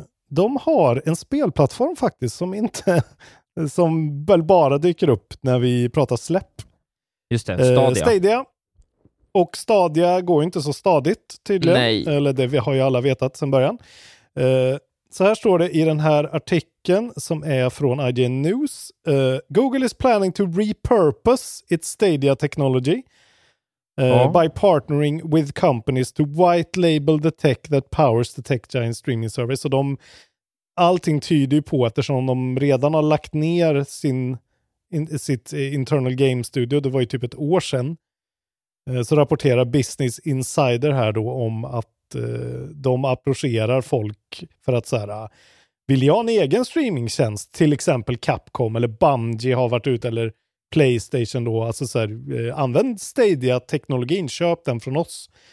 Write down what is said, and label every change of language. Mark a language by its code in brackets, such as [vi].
[sv] De har en spelplattform faktiskt som inte som väl bara dyker upp när vi pratar släpp. Just det, Stadia. Stadia. Och Stadia går inte så stadigt tydligen. Nej. Eller det har ju alla vetat sedan början. Så här står det i den här artikeln som är från IGN News. [en] Google is planning to repurpose its Stadia technology. By partnering with companies to white label the tech that powers the tech giant streaming service. [sv] Så de, allting tyder ju på, eftersom de redan har lagt ner sitt internal game studio, det var ju typ ett år sedan, så rapporterar Business Insider här då om att de approcherar folk för att säga, vill jag en egen streamingtjänst, till exempel Capcom eller Bungie har varit ute, eller PlayStation då, alltså så här, använd Stadia-teknologin, köp den från oss.